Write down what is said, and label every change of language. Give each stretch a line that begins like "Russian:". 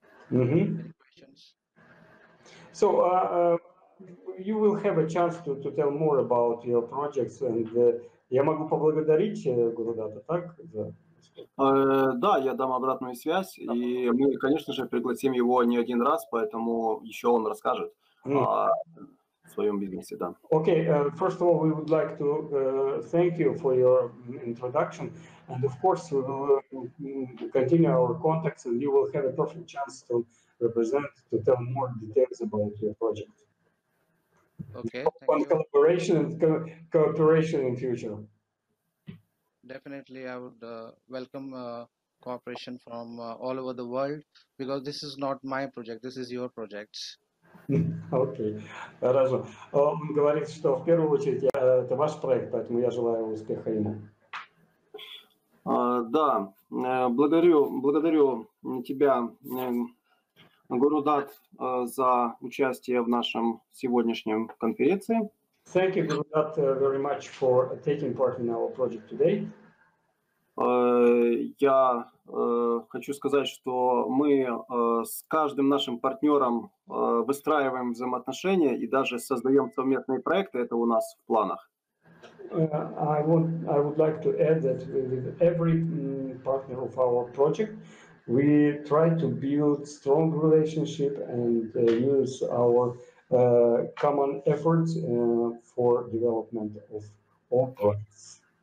English: Any questions. So you will have a chance to tell more about your projects, and
Russian: я могу поблагодарить Гурудата, так? Да, я дам обратную связь, и мы, конечно же, пригласим его не один раз, поэтому еще он расскажет о своем бизнесе, да.
English: Okay, first of all, we would like to thank you for your introduction, and of course, we will continue our contacts, and you will have a perfect chance to represent, to tell more details about your project. Okay. On collaboration and cooperation in future. Definitely, I would welcome cooperation from all over the world, because this is not my project, this is your project.
Russian: Okay, хорошо. Он говорит, что в первую очередь это ваш проект, поэтому я желаю успеха ему. Да, благодарю тебя, Гурудат, за участие в нашем сегодняшнем конференции.
English: Thank you, Gurudat, very much for taking part in our project today.
Russian: Я хочу сказать, что мы с каждым нашим партнером выстраиваем взаимоотношения и даже создаем совместные проекты. Это у нас в планах.
English: I would like to add that with every partner of our project, we try to build strong relationship and use our common efforts for development of all projects.